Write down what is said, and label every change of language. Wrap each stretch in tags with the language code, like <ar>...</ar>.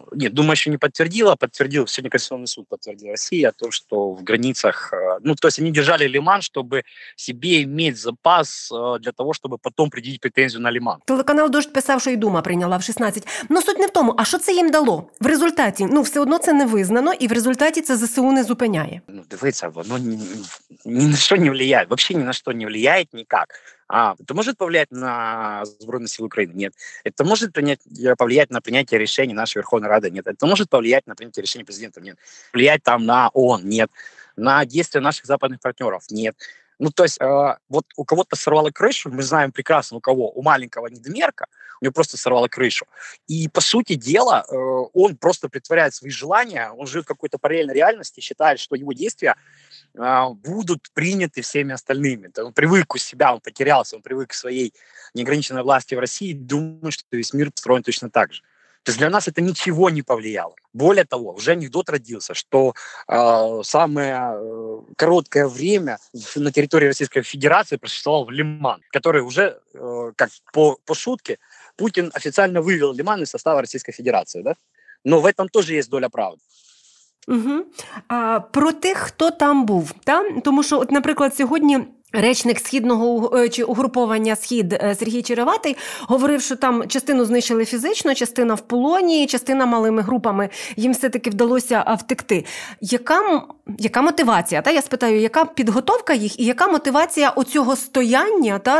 <ru>Дума еще не подтвердила, подтвердил, сегодня Конституционный суд подтвердил России о том, что в границах, они держали Лиман, чтобы себе иметь запас для того, чтобы потом предъявить претензию на Лиман.</ru> <uk>Телеканал «Дождь» писав, що і Дума прийняла в 16. Но суть не в тому, а що це їм дало? В результаті, все одно це не визнано, і в результаті це ЗСУ не зупиняє. Дивиться, воно ні на що не влияє, взагалі ні на що не влияє ніяк.</uk> <ru>Это может повлиять на Збройні Сили України? Нет. Это может повлиять на принятие решений нашей Верховной Рады? Нет. Это может повлиять на принятие решений президента? Нет. Влиять там на ООН? Нет. На действия наших западных партнеров? Нет. Вот у кого-то сорвало крышу, мы знаем прекрасно, у кого, у маленького недомерка, у него просто сорвало крышу. И, по сути дела, он просто притворяет свои желания, он живет в какой-то параллельной реальности, считает, что его действия будут приняты всеми остальными. Он привык у себя, он потерялся, он привык к своей неограниченной власти в России, думает, что весь мир построен точно так же. То есть для нас это ничего не повлияло. Более того, уже анекдот родился, что самое короткое время на территории Российской Федерации просуществовал Лиман, который уже, по шутке, Путин официально вывел Лиман из состава Российской Федерации. Да? Но в этом тоже есть доля правды.</ru> <uk>Угу. А про тих, хто там був, та? Тому що, от, наприклад, сьогодні речник східного чи угруповання «Схід» Сергій Череватий говорив, що там частину знищили фізично, частина в полоні, частина малими групами, їм все-таки вдалося втекти. Яка мотивація, та? Я спитаю, яка підготовка їх і яка мотивація оцього стояння, та?</uk>